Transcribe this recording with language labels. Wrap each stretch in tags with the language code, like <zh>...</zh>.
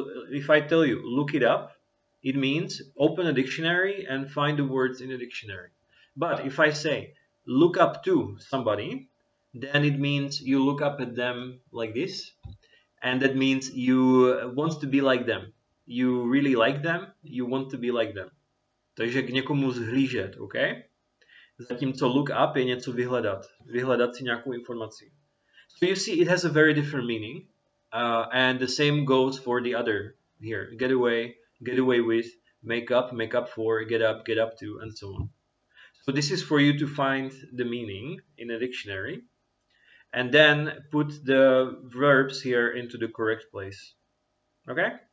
<en>If I tell you, look it up, it means open a dictionary and find the words in a dictionary. But if I say, look up to somebody, then it means you look up at them like this. And that means you want to be like them. You really like them, you want to be like them.</en> <cs>Takže k někomu zhlížet, ok? Zatímco look up je něco vyhledat. Vyhledat si nějakou informaci.</cs> <en>So you see, it has a very different meaning. And the same goes for the other here. Get away with, make up for, get up to, and so on. So this is for you to find the meaning in a dictionary. And then put the verbs here into the correct place. Okay?</en>